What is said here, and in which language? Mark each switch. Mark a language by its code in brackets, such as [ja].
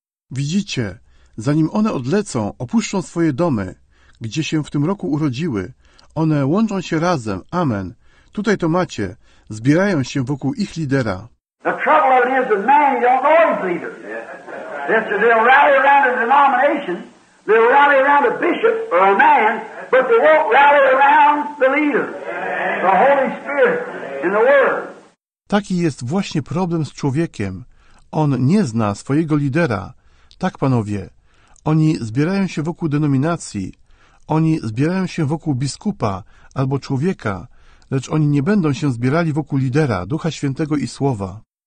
[pl] Widzicie, zanim one odlecą, opuszczą swoje domy, gdzie się w tym roku urodziły, one łączą się razem, amen. Tutaj to macie, zbierają się wokół ich lidera. [en] The trouble of it is that man don't know his leader. Yeah. They'll rally around a denomination, they'll rally around a bishop or a man, but they won't rally around the leader, the Holy Spirit and the Word. [pl] Taki jest właśnie problem z człowiekiem. On nie zna swojego lidera. Tak, panowie, oni zbierają się wokół denominacji, oni zbierają się wokół biskupa albo człowieka, lecz oni nie będą się zbierali wokół lidera, Ducha Świętego i Słowa.